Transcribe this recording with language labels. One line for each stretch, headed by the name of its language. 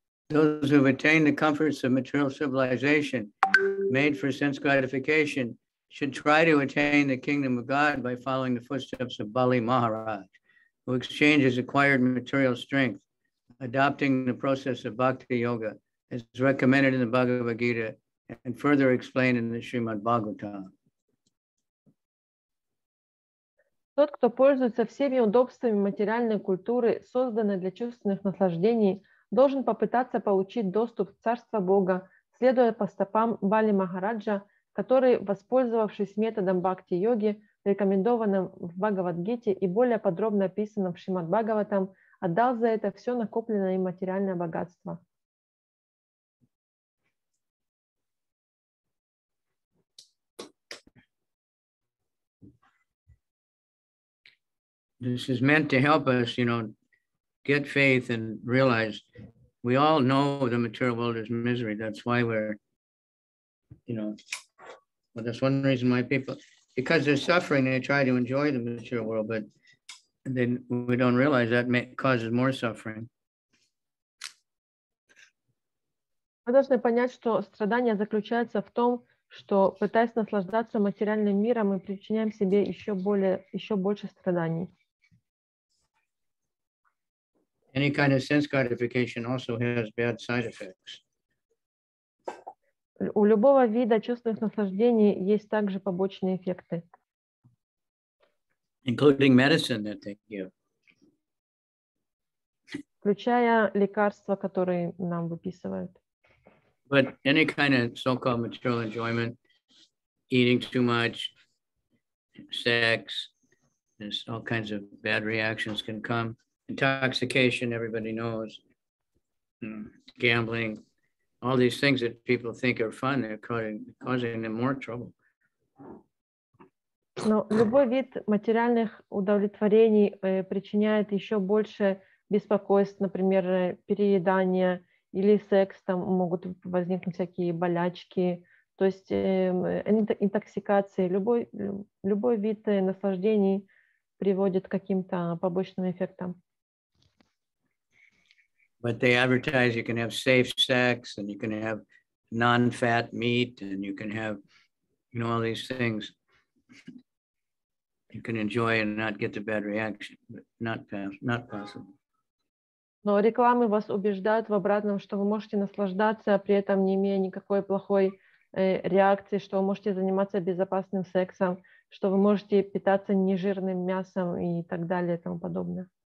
English: Those who have attained the comforts of material civilization made for sense gratification should try to attain the kingdom of God by following the footsteps of Bali Maharaj, who exchanges acquired material strength, adopting the process of bhakti yoga, as recommended in the Bhagavad Gita and further explained in the Srimad Bhagavatam.
Russian: Тот, кто пользуется всеми удобствами материальной культуры, созданной для чувственных наслаждений, должен попытаться получить доступ в Царство Бога, следуя по стопам Бали Махараджа, который, воспользовавшись методом бхакти-йоги, рекомендованным в Бхагавад-гите и более подробно описанным в Шримад-Бхагаватам, отдал за это все накопленное им материальное богатство.
English: This is meant to help us, you know, get faith and realize we all know the material world is misery. That's why we're, you know, well, that's one reason why people, because they're suffering, they try to enjoy the material world, but then we don't realize that causes more suffering.
Russian: Мы должны понять, что страдание заключается в том, что пытаясь наслаждаться материальным миром, мы причиняем себе еще больше страданий.
English: Any kind of sense gratification also has bad side effects.
Russian: У любого вида чувственных наслаждений есть также побочные эффекты.
English: Including medicine that they give.
Russian: Включая лекарства, которые нам выписывают.
English: But any kind of so-called material enjoyment, eating too much, sex, there's all kinds of bad reactions can come. Intoxication, everybody knows, gambling, all these things that people think are fun, they're causing them more trouble.
Russian: Но любой вид материальных удовлетворений причиняет еще больше беспокойств, например, переедание или секс, там могут возникнуть всякие болячки, то есть интоксикации, любой вид наслаждений приводит к каким-то побочным эффектам.
English: But they advertise you can have safe sex and you can have non-fat meat and you can have, you know, all these things. You can enjoy and not get the bad reaction, but not possible.
Russian: Но рекламы вас убеждают в обратном, что вы можете наслаждаться, при этом не имея никакой плохой реакции, что вы можете заниматься безопасным сексом, что вы можете питаться нежирным мясом и так далее и тому подобное.